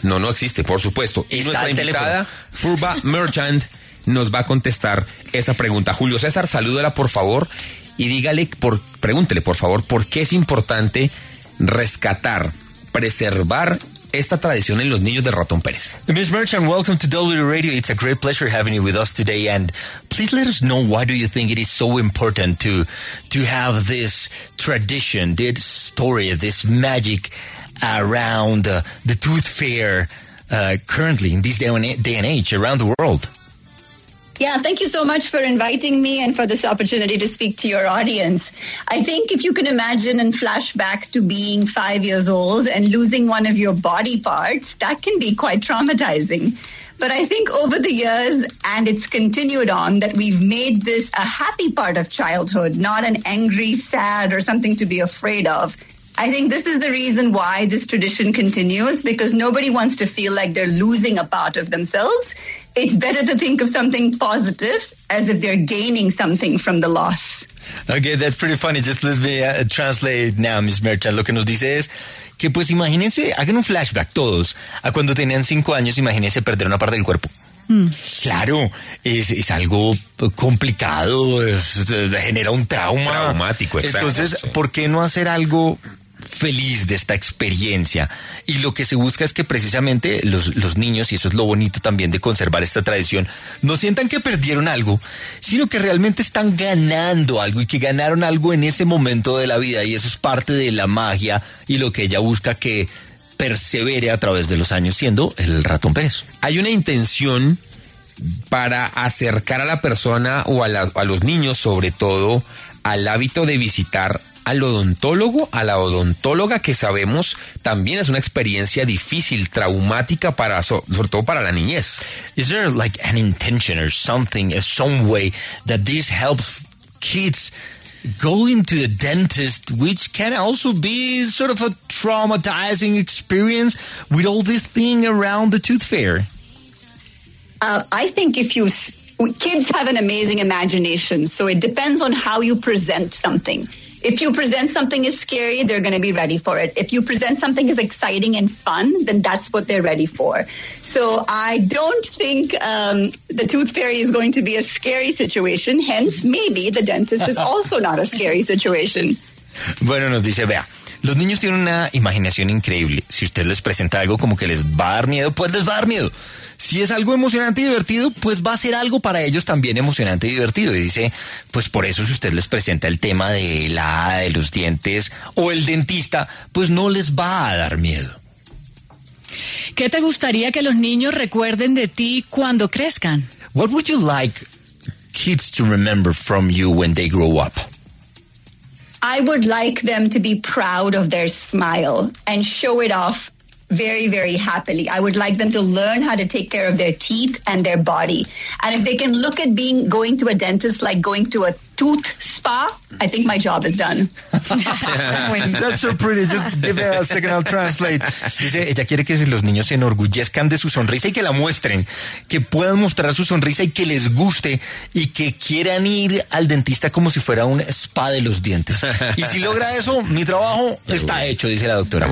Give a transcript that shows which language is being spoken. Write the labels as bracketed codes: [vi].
[es] No existe, por supuesto. Y nuestra invitada, Furba Merchant, nos va a contestar esa pregunta. Julio César, salúdala por favor y pregúntele por favor por qué es importante rescatar, preservar esta tradición en los niños de ratón Pérez. [en] Ms. Merchant, welcome to W Radio. It's a great pleasure having you with us today. And please let us know, why do you think it is so important to have this tradition, this story, this magic around the tooth fair currently in this day and age around the world? Yeah, thank you so much for inviting me and for this opportunity to speak to your audience. I think if you can imagine and flash back to being 5 years old and losing one of your body parts, that can be quite traumatizing. But I think over the years, and it's continued on, that we've made this a happy part of childhood, not an angry, sad, or something to be afraid of. I think this is the reason why this tradition continues, because nobody wants to feel like they're losing a part of themselves. It's better to think of something positive as if they're gaining something from the loss. Okay, that's pretty funny. Just let me translate now, Ms. Merchant. [es] Lo que nos dice es que, pues, imagínense, hagan un flashback todos a cuando tenían 5 años, imagínense perder una parte del cuerpo. Claro, es algo complicado, genera un trauma. Traumático, exacto. Entonces, ¿por qué no hacer algo feliz de esta experiencia? Y lo que se busca es que precisamente los niños, y eso es lo bonito también de conservar esta tradición, no sientan que perdieron algo, sino que realmente están ganando algo y que ganaron algo en ese momento de la vida, y eso es parte de la magia y lo que ella busca que persevere a través de los años siendo el ratón Pérez. Hay una intención para acercar a la persona o a los niños, sobre todo, al hábito de visitar al odontólogo, a la odontóloga, que sabemos también es una experiencia difícil, traumática para sobre todo para la niñez. [en] Is there like an intention or something, some way that this helps kids going to the dentist, which can also be sort of a traumatizing experience with all this thing around the tooth fair? I think kids have an amazing imagination, so it depends on how you present something. If you present something as scary, they're going to be ready for it. If you present something as exciting and fun, then that's what they're ready for. So I don't think the tooth fairy is going to be a scary situation. Hence, maybe the dentist is also not a scary situation. [es] Bueno, nos dice, vea, los niños tienen una imaginación increíble. Si usted les presenta algo como que les va a dar miedo, pues les va a dar miedo. Si es algo emocionante y divertido, pues va a ser algo para ellos también emocionante y divertido. Y dice, pues por eso si usted les presenta el tema de los dientes o el dentista, pues no les va a dar miedo. ¿Qué te gustaría que los niños recuerden de ti cuando crezcan? [en] What would you like kids to remember from you when they grow up? I would like them to be proud of their smile and show it off very, very happily. I would like them to learn how to take care of their teeth and their body. And if they can look at being going to a dentist like going to a tooth spa, I think my job is done. That's so pretty. Just give me a second, I'll translate. [es] Dice, ella quiere que los niños se enorgullezcan de su sonrisa y que la muestren, que puedan mostrar su sonrisa y que les guste y que quieran ir al dentista como si fuera un spa de los dientes. Y si logra eso, mi trabajo está hecho, dice la doctora.